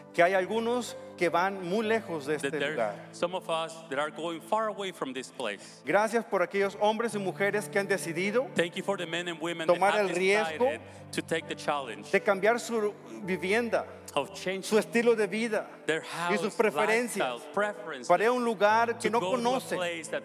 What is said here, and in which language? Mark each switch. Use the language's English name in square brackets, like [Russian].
[Spanish] Que hay algunos que van muy lejos de este lugar. [English] Some of us that are going far away from this place. [Spanish] Gracias por aquellos hombres y mujeres que han decidido tomar el riesgo de cambiar su vivienda, su estilo de vida y sus preferencias para ir a un lugar que no conocen.